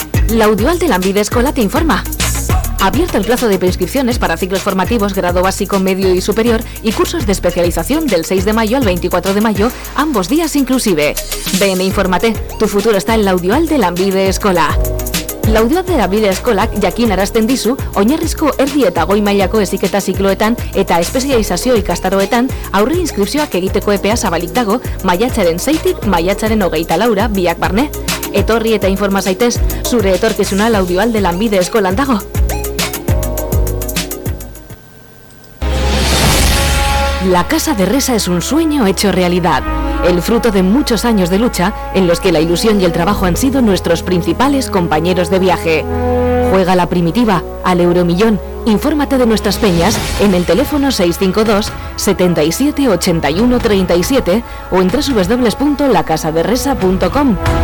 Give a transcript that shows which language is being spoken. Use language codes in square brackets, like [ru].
[es] La audual de Lambide Escola te informa. Abierto el plazo de preinscripciones para ciclos formativos grado básico, medio y superior y cursos de especialización del 6 de mayo al 24 de mayo, ambos días inclusive. Ven e infórmate, tu futuro está en la audual de Lambide Escola. [eu] La audioa de Lanbide Eskolak jakin arazten dizu, oinarrizko erdi eta goi mailako heziketa zikloetan eta espezializazio ikastaroetan aurre inskripzioak egiteko epea zabalik dago maiatzaren 6-tik maiatzaren 24-ra biak barne. Etorri eta informa zaitez, zure etorkizuna la audioa de Lanbide Eskolan dago. [es] La Casa de Resa es un sueño hecho realidad. El fruto de muchos años de lucha, en los que la ilusión y el trabajo han sido nuestros principales compañeros de viaje. Juega la primitiva, al Euromillón. Infórmate de nuestras peñas en el teléfono 652-778137 o en www.lacasaderresa.com.